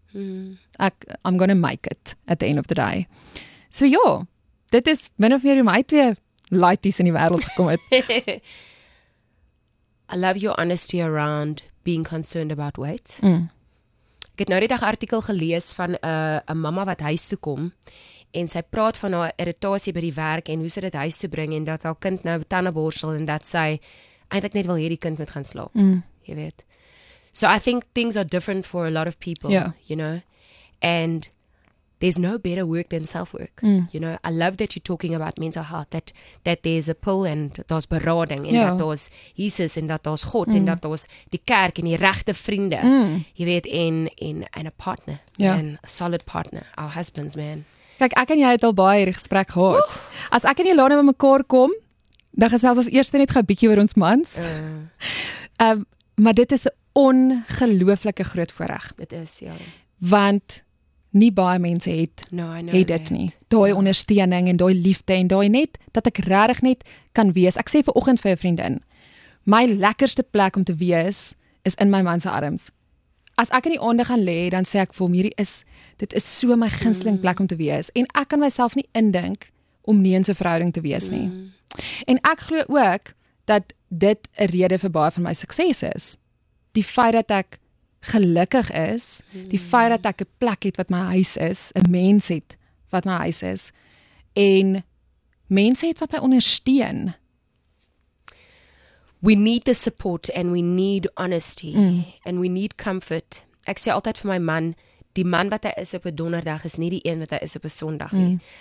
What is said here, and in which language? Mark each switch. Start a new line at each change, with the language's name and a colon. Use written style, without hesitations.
English: I'm going to make it at the end of the day.
Afrikaans: So ja, dit is min of meer hoe my twee lighties in die wêreld gekom het.
English: I love your honesty around being concerned about weight.
Afrikaans: Ek het nou die dag artikel gelees van 'n mama wat huis toe kom en sy praat van haar irritasie by die werk en hoe sy dit huis toe bring en dat haar kind nou tande borsel en dat sy eintlik net wil hê die kind moet gaan slaap. Jy weet.
English: So I think things are different for a lot of people, you know. And there's no better work than self-work. You know, I love that you're talking about mental health, that there's a pull and there's berading and that there's Jesus and that there's God and that there's
Afrikaans: die kerk
English: and
Afrikaans: die regte vriende. Jy weet,
English: and a partner. Yeah. And a solid partner. Our husbands, man.
Afrikaans: Kijk, ek en jy het al baie hierdie gesprek gehad. As ek en jy later by mekaar kom, dan gesels ons eerste net gou 'n bietjie oor ons mans. Maar dit is 'n ongelooflike groot voorreg. Dit is, ja. Want nie baie mense het, het dit nie. Daai ondersteuning en daai liefde en daai net, dat ek regtig net kan wees. Ek sê vanoggend vir 'n vriendin, my lekkerste plek om te wees, is in my man se arms. As ek in die aande gaan lê, dan sê ek vir hom, dit is so my gunsteling plek om te wees. En ek kan myself nie indink om nie in so 'n verhouding te wees nie. En ek glo ook, dat dit 'n rede vir baie van my sukses is. Die feit dat ek gelukkig is, die feit dat ek 'n plek het wat my huis is, 'n mens het wat my huis is en mense het wat my ondersteun.
English: We need the support and we need honesty and we need comfort.
Afrikaans: Ek sê altyd vir my man, die man wat hy is op 'n donderdag is nie die een wat hy is op 'n Sondag nie.